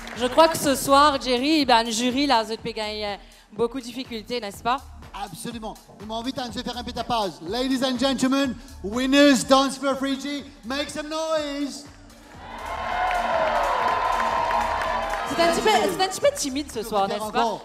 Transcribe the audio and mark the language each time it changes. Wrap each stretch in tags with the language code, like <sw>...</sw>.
<fr>crois que ce soir, Jerry, ben, le jury là, a gagné beaucoup de difficultés, n'est-ce pas? Absolument. Nous m'invitons à faire un petit pause.</fr> <en>Ladies and gentlemen, winners Dance for Fiji, make some noise!</en> <fr>C'est un petit peu timide ce soir, n'est-ce pas?</fr>